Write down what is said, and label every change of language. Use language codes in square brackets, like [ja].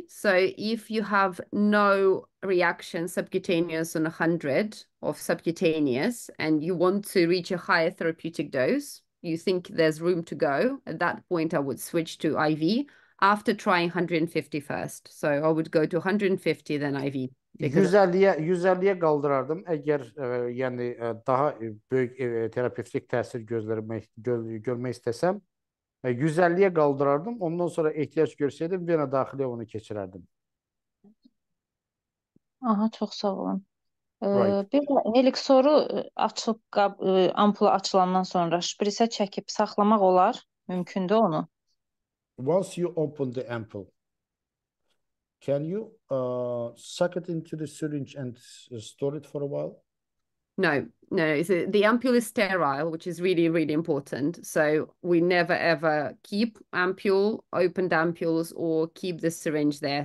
[en] So, if you have no reaction subcutaneous on 100 of subcutaneous and you want to reach a higher therapeutic dose, you think there's room to go, at that point I would switch to IV after trying 150 first. So I would go to 150 then IV. [az] 150-yə qaldırardım əgər yəni daha böyük terapevtik təsir görmək istəsəm 150-yə qaldırardım ondan sonra ehtiyac görsəydim yenə daxiliyə onu keçirərdim. Aha çox sağ olun. [en] Right. [az] Bir də Helixoru açıb ampula açılandan sonra şprisə çəkib saxlamaq olar, mümkündür onu. [en] Once you open the ampule, can you suck it into the syringe and store it for a while? No. The ampule is sterile, which is really, really important. So we never ever keep ampule, opened ampules, or keep the syringe there.